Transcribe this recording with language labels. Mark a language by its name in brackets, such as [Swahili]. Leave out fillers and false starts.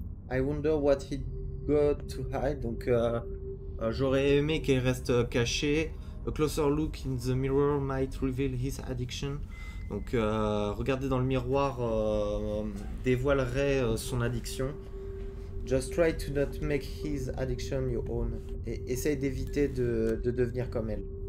[English] I wonder what he got to hide. [French] Donc j'aurais aimé qu'elle reste cachée. [English] A closer look in the mirror might reveal his addiction. [French] Donc, regarder dans le miroir dévoilerait son addiction. [English] Just try to not make his addiction your own. [French] Et essaye d'éviter de devenir comme elle.